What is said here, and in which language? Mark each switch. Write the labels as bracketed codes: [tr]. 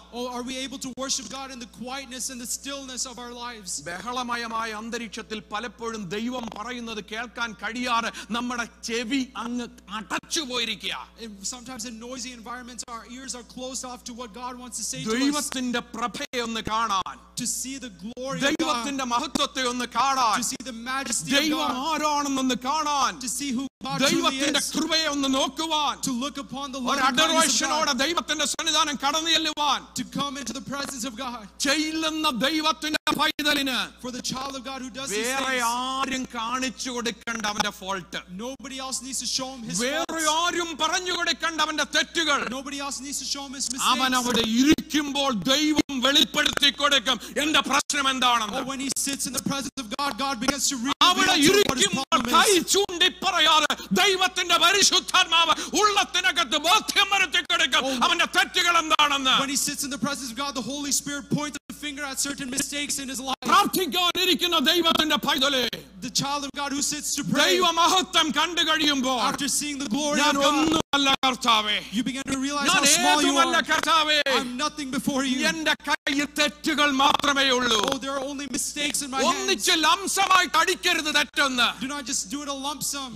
[en] are we able to worship God in the quietness and the stillness of our lives [ml] ബഹളമയമായ അന്തരീക്ഷത്തിൽ പലപ്പോഴും ദൈവം പറയുന്നത് കേൾക്കാൻ കഴിയാതെ നമ്മുടെ ചെവി അങ്ങ് അടച്ചു പോയിരിക്കുകയാണ് [en] sometimes in noisy environments our ears are closed off to what God wants to say [ml] ദൈവത്തിന്റെ പ്രഭയെ ഒന്ന് കാണാൻ [en] to see the glory [ml] ദൈവത്തിന്റെ മഹത്വത്തെ ഒന്ന് കാണാൻ [en] to see the majesty [ml] ദൈവം ആരാണെന്ന് കാണാൻ [en] to see who [ml] ദൈവത്തിന്റെ കൃപയെ ഒന്ന് നോക്കുവാൻ [en] to look upon the Lord and [ml] adorationോടെ ദൈവത്തിന്റെ Sannidhanam കടന്നുചെല്ലുവാൻ [en] to come into the presence of God [ml] ചെയ്യുന്ന ദൈവത്തിന്റെ പൈതലിനെ [en] for the child of God who does [ml] വേറെ ആരും കാണിച്ചു കൊടുക്കണ്ട അവന്റെ fault [en] nobody else needs to show him his [ml] വേറെ ആരും പറഞ്ഞു കൊടുക്കണ്ട അവന്റെ തെറ്റുകൾ [en] nobody else needs to show him his mistakes [ml] അവൻ അവിടെ ഇരിക്കുമ്പോൾ ദൈവം വെളിപ്പെടുത്തി കൊടുക്കും എന്റെ പ്രശ്നം എന്താണെന്ന് [en] when he sits in the presence of God God begins to reveal [ml] അവിടെ ഇരിക്കുമ്പോൾ കൈ ചൂണ്ടി പറയാതെ ദൈവത്തിന്റെ പരിശുദ്ധാത്മാവ് ഉള്ളത്തിനകത്ത് ബോധ്യം വരുത്തി കൊടുക്കും അവന്റെ തെറ്റുകൾ എന്താണെന്ന് [en] when he sits in the presence of God the Holy Spirit points a finger at certain mistakes in his life [ml] പ്രാർത്ഥിക്കാൻ ഇരിക്കുന്ന ദൈവത്തിന്റെ പൈതലേ [en] the child of God who sits to pray, after seeing the glory of God, you begin to realize how small you are. I'm nothing before you. There are only mistakes in my hands. Do not just do it a lump sum.